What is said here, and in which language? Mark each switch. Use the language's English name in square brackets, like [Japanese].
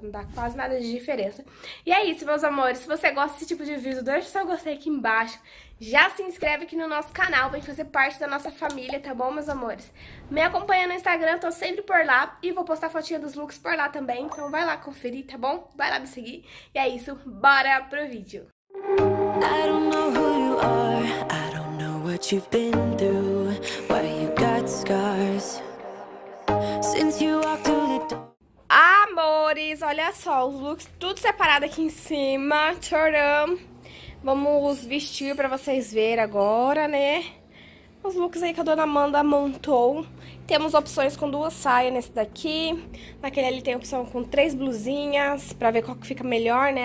[Portuguese] Não dá quase nada de diferença. E é isso, meus amores. Se você gosta desse tipo de vídeo, deixa o seu gostei aqui embaixo. Já se inscreve aqui no nosso canal, vem fazer parte da nossa família, tá bom, meus amores? Me acompanha no Instagram, tô sempre por lá e vou postar fotinha dos looks por lá também. Então vai lá conferir, tá bom? Vai lá me seguir. E é isso, bora pro vídeo. [English] I don't know who you are, I don't know what you've been through, why you got scars since you walked through the door. [Portuguese] Amores, olha só, os looks tudo separado aqui em cima. Tcharam! Vamos vestir para vocês verem agora, né? Os looks aí que a dona Amanda montou. Temos opções com duas saias nesse daqui. Naquele ali tem opção com três blusinhas, para ver qual que fica melhor, né?